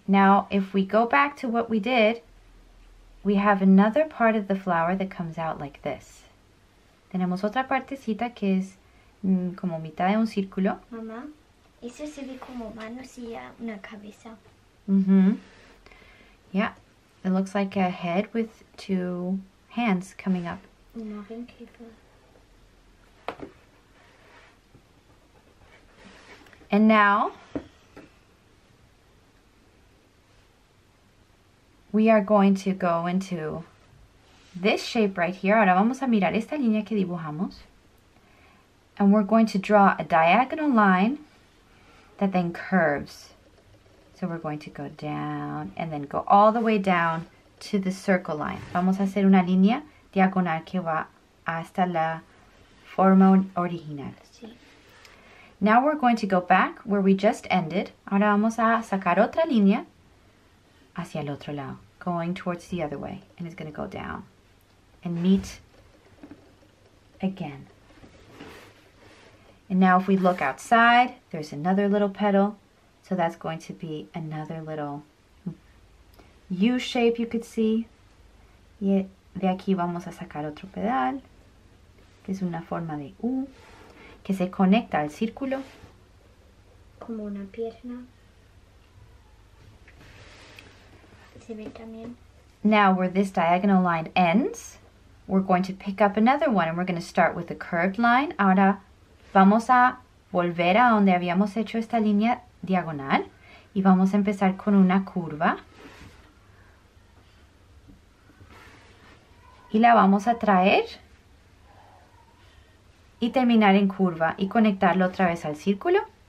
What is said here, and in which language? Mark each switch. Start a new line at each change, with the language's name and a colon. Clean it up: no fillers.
English: Now, if we go back to what we did, we have another part of the flower that comes out like this.
Spanish: Tenemos otra partecita que es como mitad de un círculo. Mamá, eso se ve como manos y una cabeza.
English: Mm-hmm. Yeah, it looks like a head with two hands coming up. No, thank you. And now, we are going to go into this shape right here.
Spanish: Ahora vamos a mirar esta línea que dibujamos.
English: And we're going to draw a diagonal line that then curves. So we're going to go down and then go all the way down to the circle line.
Spanish: Vamos a hacer una línea diagonal que va hasta la forma original. Sí.
English: Now we're going to go back where we just ended.
Spanish: Ahora vamos a sacar otra línea hacia el otro lado,
English: going towards the other way, and it's going to go down and meet again. And now if we look outside, there's another little petal, so that's going to be another little U shape, you could see.
Spanish: Y de aquí vamos a sacar otro petal, que es una forma de U. Que se conecta al círculo. Como una pierna. Se ve también.
English: Now, where this diagonal line ends, we're going to pick up another one and we're going to start with a curved line.
Spanish: Ahora vamos a volver a donde habíamos hecho esta línea diagonal y vamos a empezar con una curva. Y la vamos a traer. Y terminar en curva y conectarlo otra vez al círculo.